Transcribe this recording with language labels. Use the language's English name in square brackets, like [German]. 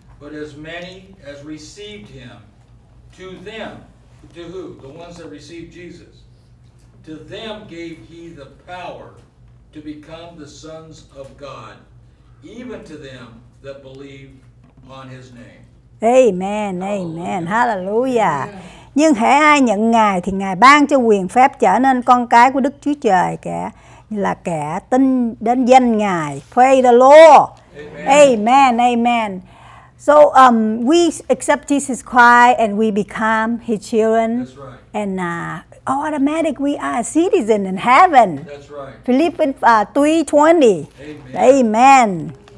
[English] But as many as received Him, to them, to who? The ones that received Jesus. To them gave He the power to become the sons of God, even to them that believe on His name. Amen. Hallelujah. Amen. Hallelujah. Amen. [Vietnamese] Nhưng hễ ai nhận Ngài thì Ngài ban cho quyền phép trở nên con cái của Đức Chúa Trời, kẻ là kẻ tin đến danh Ngài. [English] Praise the Lord. Amen. Amen. Amen. So we accept Jesus Christ and we become His children. That's right. And automatic we are a citizen in heaven. That's right. Philippians 3:20. Amen. Amen.